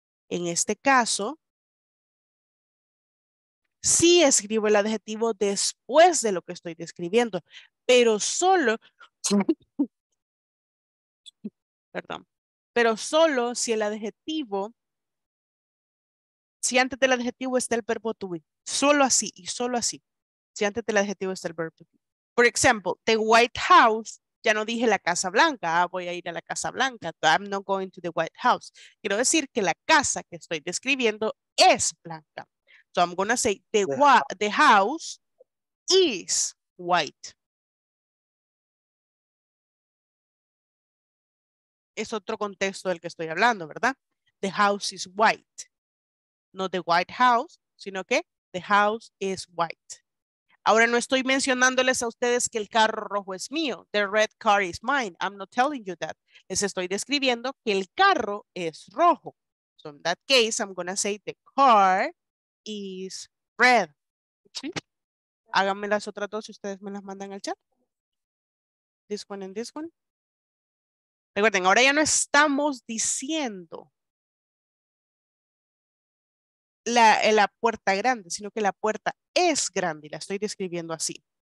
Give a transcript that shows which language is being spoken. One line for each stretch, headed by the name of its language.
Spanish: En este caso, sí escribo el adjetivo después de lo que estoy describiendo, pero solo, perdón, pero solo si el adjetivo, si antes del adjetivo está el verbo to be, solo así y solo así. Si antes del adjetivo está el verbo. Por ejemplo, the White House, ya no dije la Casa Blanca, ah, voy a ir a la Casa Blanca,
English: I'm not going to the White House.
Spanish: Quiero decir que la casa que estoy describiendo es blanca.
English: So I'm going to say the house is white.
Spanish: Es otro contexto del que estoy hablando, ¿verdad?
English: The house is white. No the White House,
Spanish: sino que
English: the house is white.
Spanish: Ahora no estoy mencionándoles a ustedes que el carro rojo es mío.
English: The red car is mine. I'm not telling you that.
Spanish: Les estoy describiendo que el carro es rojo.
English: So in that case, I'm going to say the car is red.
Spanish: ¿Sí? Háganme las otras dos si ustedes me las mandan al chat.
English: This one and this one.
Spanish: Recuerden, ahora ya no estamos diciendo la puerta grande, sino que la puerta es grande y la estoy describiendo así.